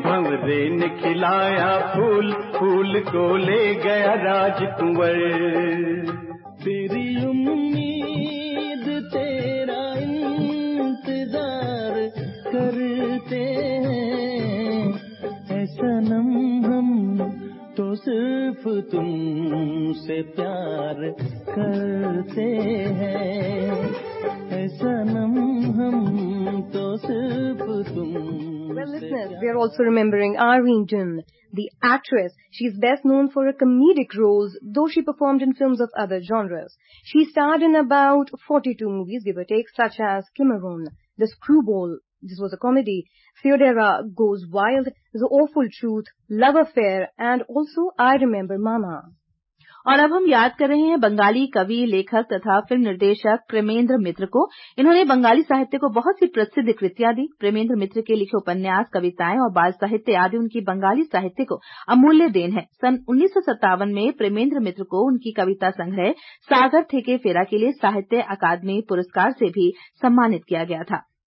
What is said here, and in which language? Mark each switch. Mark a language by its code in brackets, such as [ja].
[hi] भमरे ने खिलाया फूल, फूल को ले गया राजकुमार, तेरी उम्मीद तेरा इंतजार करते हैं, ऐसा नम हम तो सिर्फ तुम तुमसे प्यार करते हैं सनम हम तो सिर्फ तुम. [en] Well, listeners, we are also remembering Irene Dunne, the actress. She is best known for her comedic roles, though she performed in films of other genres. She starred in about 42 movies, give or take, such as Cimarron, The Screwball, this was a comedy, Theodora Goes Wild, The Awful Truth, Love Affair, and also I Remember Mama. [hi] और अब हम याद कर रहे हैं बंगाली कवि, लेखक तथा फिल्म निर्देशक प्रेमेंद्र मित्र को. इन्होंने बंगाली साहित्य को बहुत सी प्रसिद्ध कृतियां दी. प्रेमेंद्र मित्र के लिखे उपन्यास, कविताएं और बाल साहित्य आदि उनकी बंगाली साहित्य को अमूल्य देन है. सन 1957 में प्रेमेंद्र मित्र को उनकी कविता संग्रह सागर थेके फेरा के लिए साहित्य अकादमी पुरस्कार से भी सम्मानित किया गया था.